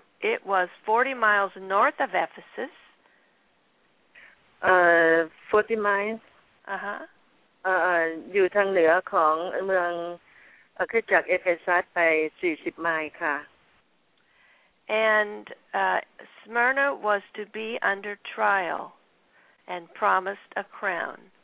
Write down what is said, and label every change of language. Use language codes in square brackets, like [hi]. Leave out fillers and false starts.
[en] It was 40 miles north of Ephesus. 40 miles? Uh-huh. [th] อยู่ทางเหนือของเมืองคริสตจักรเอเฟซัสไป40ไมล์ค่ะ [en] And Smyrna was to be under trial and promised a crown.